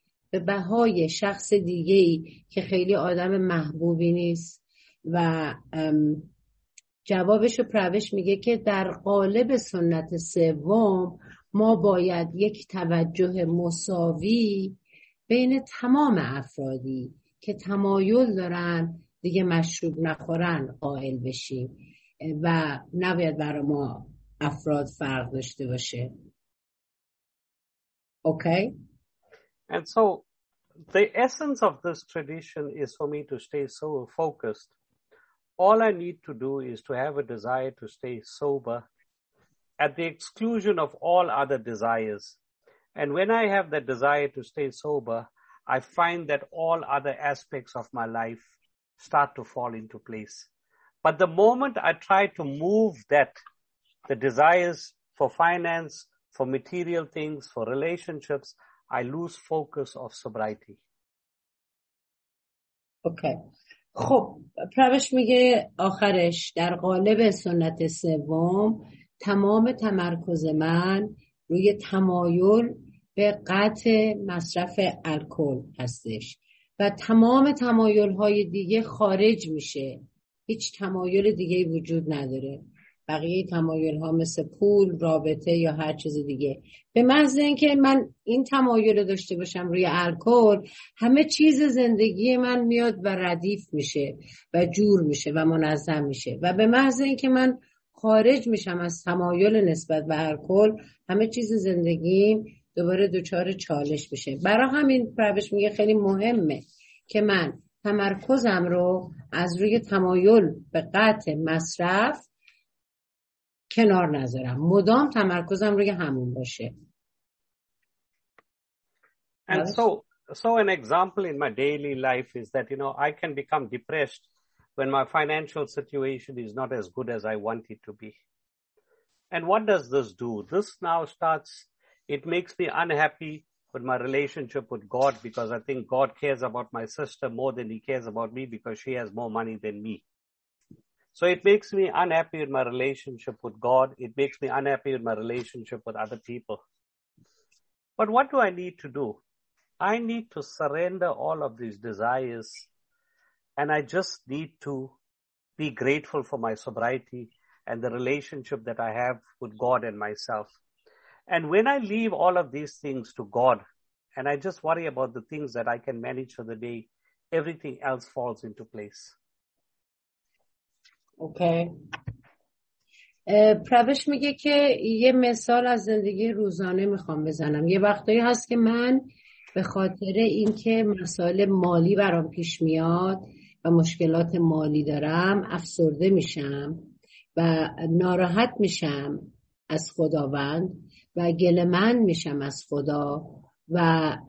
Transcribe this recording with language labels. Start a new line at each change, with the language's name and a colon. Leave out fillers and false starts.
Persian: به بهای شخص دیگه‌ای که خیلی آدم محبوبی نیست؟ و جوابش رو پروش میگه که در قالب سنت سوم ما باید یک توجه مساوی بین تمام افرادی که تمایل دارن دیگه مشروب نخورن قائل بشیم و نباید برای ما افراد فرق داشته باشه.
English: Okay? And so the essence of this tradition is for me to stay so focused. All I need to do is to have a desire to stay sober at the exclusion of all other desires. And when I have that desire to stay sober, I find that all other aspects of my life start to fall into place. But the moment I try to move that, the desires for finance, for material things, for relationships, I lose focus of sobriety. Okay.
Persian: خب پروش میگه آخرش در قالب سنت سوم تمام تمرکز من روی تمایل به قطع مصرف الکل هستش و تمام تمایل های دیگه خارج میشه. هیچ تمایل دیگه وجود نداره. بقیه تمایل ها مثل پول، رابطه یا هر چیز دیگه. به محض اینکه من این تمایل رو داشته باشم روی الکل، همه چیز زندگی من میاد و ردیف میشه و جور میشه و منظم میشه. و به محض اینکه من خارج میشم از تمایل نسبت به الکل، همه چیز زندگیم دوباره دوچار چالش میشه. برای همین پروش میگه خیلی مهمه که من تمرکزم رو از روی تمایل به قطع مصرف کنار نذارم، مدام تمرکزم روی همون باشه.
English: And so an example in my daily life is that, you know, I can become depressed when my financial situation is not as good as I want it to be. And what does this do? This now starts, it makes me unhappy with my relationship with God, because I think God cares about my sister more than he cares about me, because she has more money than me. So it makes me unhappy in my relationship with God. It makes me unhappy in my relationship with other people. But what do I need to do? I need to surrender all of these desires, and I just need to be grateful for my sobriety and the relationship that I have with God and myself. And when I leave all of these things to God and I just worry about the things that I can manage for the day, everything else falls into place. Okay.
Persian: پروش میگه که یه مثال از زندگی روزانه میخوام بزنم. یه وقتایی هست که من به خاطر اینکه مسائل مالی برام پیش میاد و مشکلات مالی دارم افسرده میشم و ناراحت میشم از خداوند و گله‌مند میشم از خدا و